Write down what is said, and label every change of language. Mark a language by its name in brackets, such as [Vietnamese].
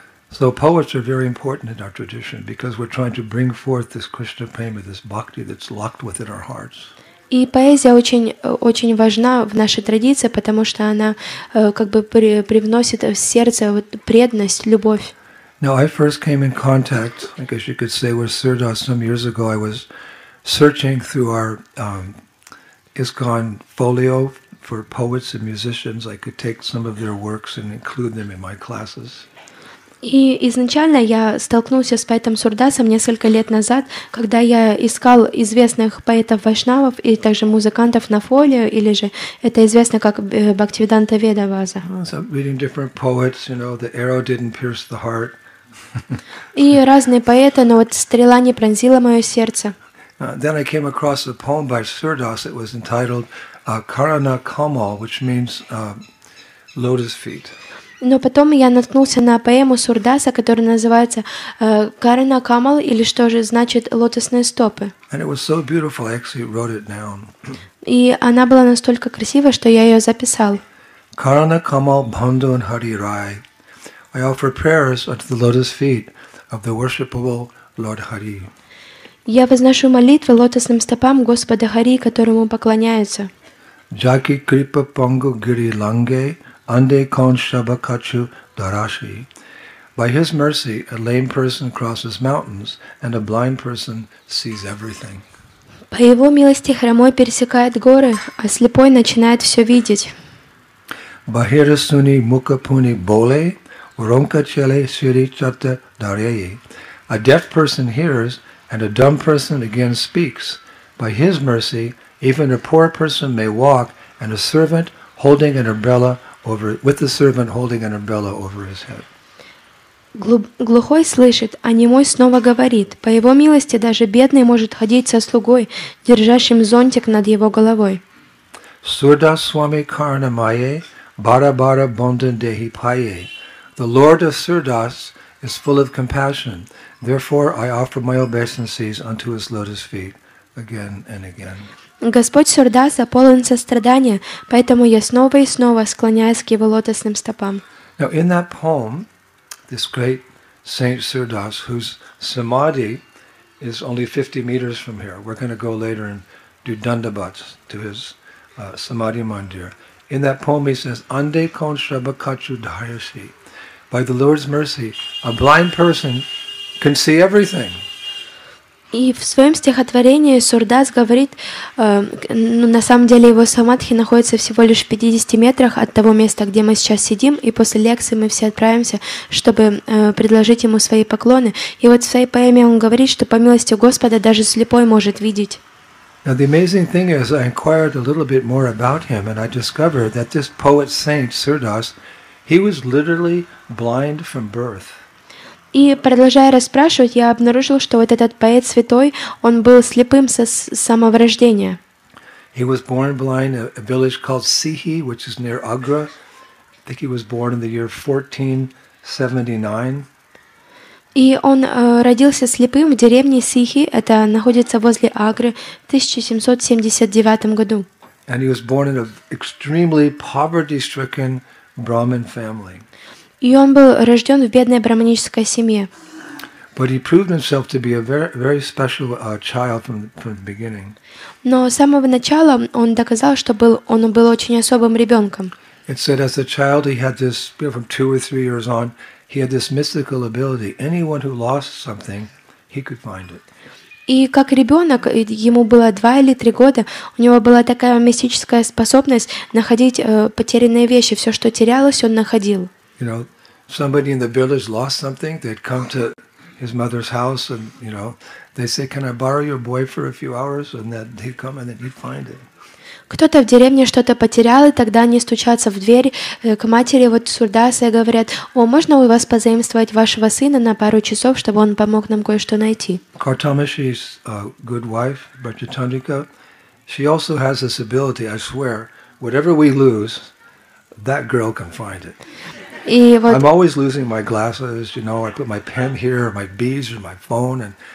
[English] So poets are very important in our tradition because we're trying to bring forth this Krishna prema, this bhakti that's locked within our hearts. [Russian] И поэзия очень очень важна в нашей традиции, потому что она привносит в сердце преданность, любовь. [English] Now I first came in contact, I guess you could say, with Sirdas some years ago. I was searching through our ISKCON folio for poets and musicians. I could take some of their works and include them in my classes. [Russian] И изначально я столкнулся с поэтом Сурдасом несколько лет назад, когда я искал известных поэтов-вайшнавов и также музыкантов на фолио, или же это известно как Бхактивиданта Веда Ваза. [English] So reading different poets, you know, the arrow didn't pierce the heart. [Russian] И разные поэты, но вот стрела не пронзила мое сердце. [English] Then I came across a poem by Сурдас. It was entitled Karana Kamal, which means lotus feet. [Russian] Но потом я наткнулся на поэму Сурдаса, которая называется «Карана Камал», или что же значит «Лотосные стопы». [English] And it was so beautiful, I actually wrote it down. [Russian] И она была настолько красива, что я ее записал. [Braj] «Карана Камал Бхандун Хари Рай. [English] I offer prayers unto the lotus feet of the worshipable Lord Hari». [Russian] Я возношу молитвы лотосным стопам Господа Хари, которому поклоняются. [Braj] «Джаки Крипа Пангу Гири Ланге». Ande kon shabakachu darashi. [English] By his mercy, a lame person crosses mountains, and a blind person sees everything. [Russian] По его милости хромой пересекает горы, а слепой начинает все видеть. [Braj] Bahirasuni mukapuni bole, ronka chale shiri chata darayi. [English] A deaf person hears, and a dumb person again speaks. By his mercy, even a poor person may walk, and a servant holding an umbrella. Over, with the servant holding an umbrella over his head. [Russian] Глухой слышит, а немой снова говорит. По его милости даже бедный может ходить со слугой, держащим зонтик над его головой. [Braj] Сурдас Свами Карна Майе, Бара Бара Бондан Дехи Пайе. [English] The Lord of Сурдас is full of compassion. Therefore, I offer my obeisances unto his lotus feet again and again. [Russian] Господь Сурдаса полон сострадания, поэтому я снова и снова склоняюсь к его лотосным стопам. [English] Now in that poem, this great Saint Sirdas, whose samadhi is only 50 meters from here, we're going to go later and do dandabats to his samadhi mandir. In that poem he says, [Braj] Ande kon shabakachu dharasi. [English] By the Lord's mercy, a blind person can see everything. [Russian] И в своем стихотворении Сурдас говорит, на самом деле его самадхи находится всего лишь в 50 метрах от того места, где мы сейчас сидим, и после лекции мы все отправимся, чтобы предложить ему свои поклоны. И вот в своей поэме он говорит, что по милости Господа даже слепой может видеть. [English] Now the amazing thing is, I inquired a little bit more about him, and I discovered that this poet saint Сурдас, he was literally blind from birth. [Russian] И продолжая расспрашивать, я обнаружил, что вот этот поэт святой, он был слепым с самого рождения. [English] He was born blind in a village called Sihi, which is near Agra. I think he was born in the year 1479. [Russian] И он родился слепым в деревне Сихи, это находится возле Агры, в 1779 году. [English] And he was born in an extremely poverty-stricken Brahmin family. [Russian] И он был рожден в бедной брахманической семье. [English] But he proved himself to be a very, very special child from the beginning. [Russian] Но с самого начала он доказал, что он был очень особым ребенком. [English] It said as a child he had this, you know, from 2 or 3 years on, he had this mystical ability. Anyone who lost something, he could find it. [Russian] И как ребенок, ему было 2 или 3 года, у него была такая мистическая способность находить потерянные вещи. Все, что терялось, он находил. [English] You know, somebody in the village lost something. They'd come to his mother's house, and you know, they say, "Can I borrow your boy for a few hours?" And then he'd come, and then he'd find it. [Russian] Кто-то в деревне что-то потерял, и тогда они стучатся в дверь к матери, вот Сурдаса, и говорят, «О, можно у вас позаимствовать вашего сына на пару часов, чтобы он помог нам кое-что найти?» [English] Картамиши's good wife, Bhattatandrika, she also has this ability, I swear, whatever we lose, that girl can find it. I'm always losing my glasses, you know, I put my pen here, or my beads, or my phone, and...